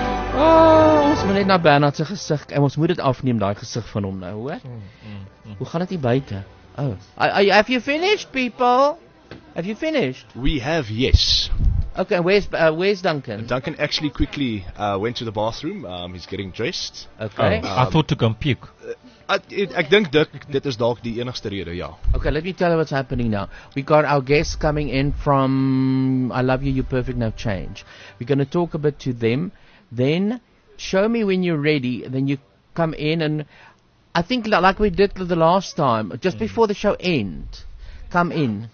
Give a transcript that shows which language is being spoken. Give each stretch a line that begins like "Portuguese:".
Afrikaans: Ons moet net na Bernard se gesig, en ons moet dit afneem, daai gesig van hom nou, hoor. Hoe gaan dit hier buite?
English: Oh, have you finished, people? Have you finished? We have, yes. Okay, where's Duncan? Duncan actually quickly went to the bathroom. He's getting dressed. Okay. I thought to come puke.
Afrikaans: Ek dink Dirk, dit is dalk die enigste rede, ja.
English: Okay, let me tell you what's happening now. We got our guests coming in from I Love You, You're Perfect, No Change. We're going to talk a bit to them. Then, show me when you're ready. Then you come in and I think like we did the last time, just before the show end, come in.